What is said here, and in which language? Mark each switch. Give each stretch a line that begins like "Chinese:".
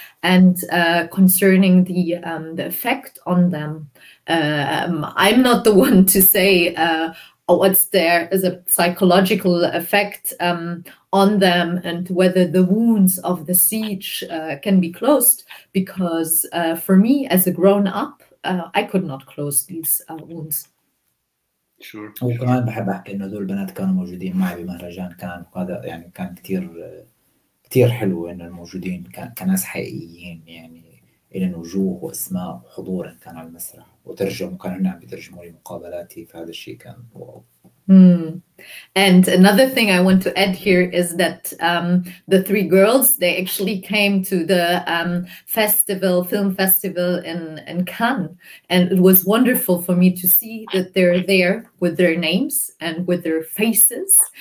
English: And concerning the effect on them, I'm not the one to say what's there as a psychological effect on them, and whether the wounds of the siege can be closed, because for me as a grown up, I could not close these wounds. Sure.
Arabic: وكمان بحب أحكي إنه دول البنات كانوا موجودين معي بمهرجان كان، وهذا يعني كان كتير كتير حلو إنه الموجودين كناس حقيقيين، يعني إلين وجوه وأسماء وحضور كان على المسرح وترجموا، كانوا هنا بيترجموا لي مقابلاتي، فهذا الشيء كان واو.
English: And another thing I want to add here is that the three girls, they actually came to the festival, film festival in Cannes. And it was wonderful for me to see that they're there with their names and with their faces.